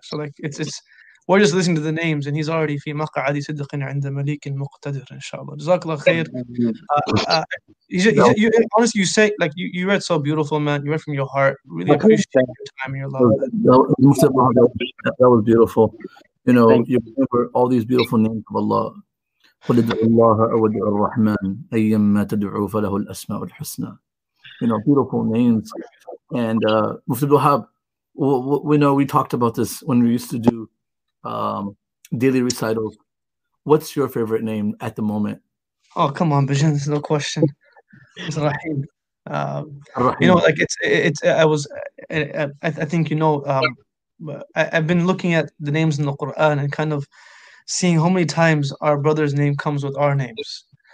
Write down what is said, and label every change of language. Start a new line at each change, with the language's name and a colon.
English: So like it's we're just listening to the names and he's already
Arabic: fi maq'adi siddiqin 'inda malik al-muqtadir,
English: inshallah. Jazakallah khair. Honestly, you read so beautiful, man. You read from your heart. Really appreciate your time and your love. That was beautiful. You know, you remember all these beautiful names of Allah.
Arabic: قل ادعوا الله أو ادعوا الرحمن أيما تدعوا فله الأسماء الحسنى.
English: You know, beautiful names. And Mufti Abdulwahab, we know we talked about this when we used to do daily recitals. What's your favorite name at the moment? Oh, come on, Bijan, there's no question. It's Rahim. You know, like I've been looking at the names in the Quran and kind of seeing how many times our brother's name comes with our names.